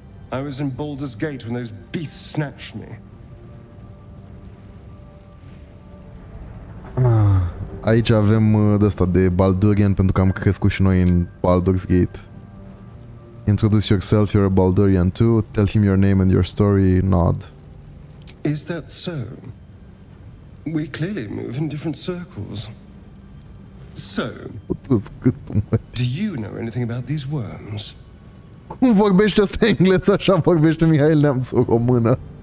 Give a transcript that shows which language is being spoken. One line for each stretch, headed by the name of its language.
English: I was in Baldur's Gate when those beasts snatched me.
Romanian: Aici avem ăsta de Baldurian pentru că am crescut și noi în Baldur's Gate.
English: Introduce yourself, you're a Baldurian too. Tell him your name and your story, nod. Is that so? We clearly move in different circles. So, do you know anything about these worms?
Romanian: Cum vorbește asta engleză, așa vorbește Mihail Neamțu română.